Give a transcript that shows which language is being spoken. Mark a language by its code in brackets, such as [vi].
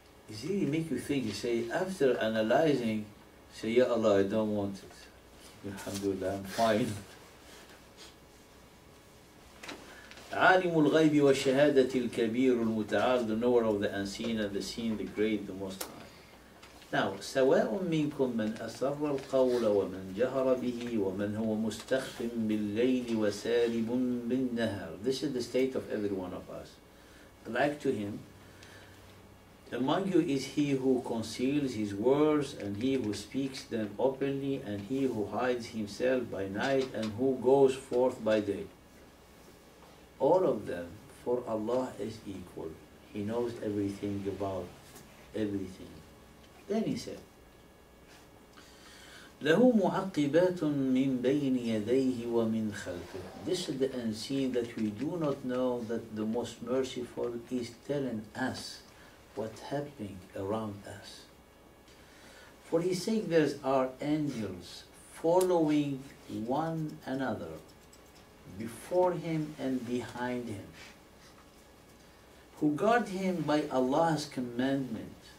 [en] It really make you think, you say, after analyzing, say, Ya Allah, I don't want it. Alhamdulillah, I'm fine. [ar] عالم الغيب والشهادة الكبير المتعال, [en] the knower of the unseen and the seen, the great, the most high. Now, [ar] سواء منكم من أسر القول ومن جهر به ومن هو مستخف بالليل وسالب بالنهر. [en] This is the state of every one of us. Like to him, among you is he who conceals his words, and he who speaks them openly, and he who hides himself by night, and who goes forth by day. All of them, for Allah is equal. He knows everything about everything. Then he said, [ar] لَهُ مُعَقِّبَاتٌ مِّن بَيْنِ يَدَيْهِ وَمِنْ خَلْفِهِ. [en] This is the unseen that we do not know, that the most merciful is telling us what's happening around us. For he's saying there are angels following one another before him and behind him, who guard him by Allah's commandment.